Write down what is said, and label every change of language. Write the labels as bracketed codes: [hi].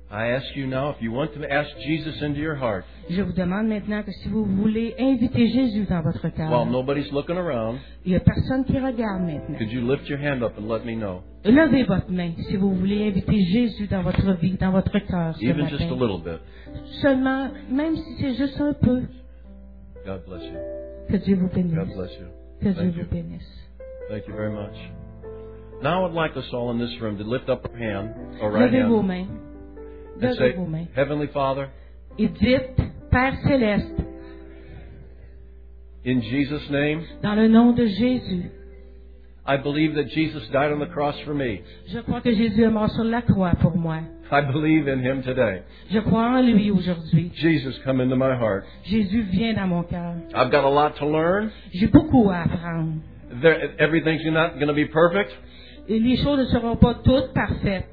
[en] I ask you now if you want to ask Jesus into your heart. [fr] Je vous demande maintenant que si vous voulez inviter Jésus dans votre cœur. [en] While nobody's looking around. [fr] Il n'y a personne qui regarde maintenant. [en] Could you lift your hand up and let me know? [fr] Levez votre main si vous voulez inviter Jésus dans votre vie, dans votre cœur. [en] Even matin. Just a little bit. [fr] Seulement, même si c'est juste un peu. [en] God bless you. [fr] Que Dieu vous bénisse. [en] God bless you. [fr] Que Dieu vous bénisse. [en] Thank you very much. Now I'd like us all in this room to lift up our hand, our right [fr] Levez [en] hand. [fr] Levez vos mains. [en] And say, Heavenly Father, [fr] et dites, Père Céleste, [en] in Jesus' name, [fr] dans le nom de Jésus, [en] I believe that Jesus died on the cross for me. [fr] Je crois que Jésus est mort sur la croix pour moi. [en] I believe in him today. [fr] Je crois en lui aujourd'hui. [en] Jesus, come into my heart. [fr] Jésus vient dans mon cœur. [en] I've got a lot to learn. [fr] J'ai beaucoup à apprendre. [en] Everything's not going to be perfect. [fr] Et les choses ne seront pas toutes parfaites.